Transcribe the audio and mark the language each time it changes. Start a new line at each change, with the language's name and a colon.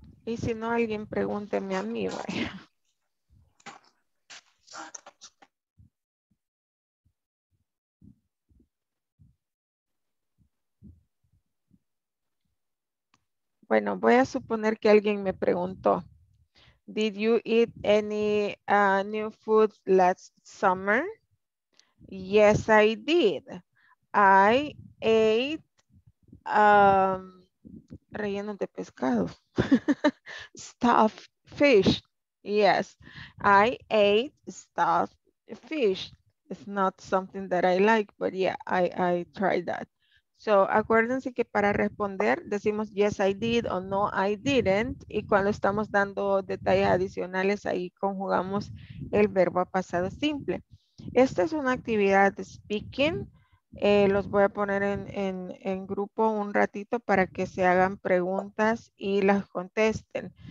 Spanish: Y si no, alguien pregúnteme a mí, vaya. Bueno, voy a suponer que alguien me preguntó.
English: Did you eat any new food last summer? Yes, I did. I ate
Spanish: relleno de pescado.
English: Stuffed fish. Yes, I ate stuffed fish. It's not something that I like, but yeah, I tried that.
Spanish: So, acuérdense que para responder decimos
English: yes, I did
Spanish: o
English: no, I didn't.
Spanish: Y cuando estamos dando detalles adicionales, ahí conjugamos el verbo a pasado simple. Esta es una actividad de speaking. Los voy a poner en grupo un ratito para que se hagan preguntas y las contesten.